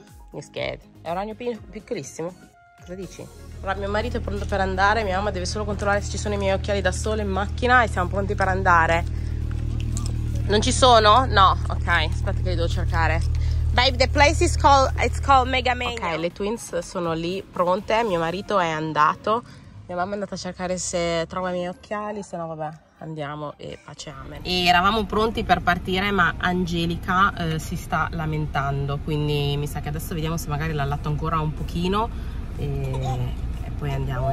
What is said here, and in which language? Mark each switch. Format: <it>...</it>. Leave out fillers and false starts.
<it>Mi scherzo. È un ragno piccolissimo. Cosa dici? Allora, mio marito è pronto per andare. Mia mamma deve solo controllare se ci sono i miei occhiali da sole in macchina. E siamo pronti per andare. Non ci sono? No, ok. Aspetta che li devo cercare.</it> <en>Babe, the place is called, it's called Mega Mania.</en> <it>Ok, le twins sono lì pronte, mio marito è andato, mia mamma è andata a cercare se trova i miei occhiali, se no vabbè, andiamo e pace, amen. E eravamo pronti per partire, ma Angelica si sta lamentando, quindi mi sa che adesso vediamo se magari l'allatto ancora un pochino e poi andiamo.</it>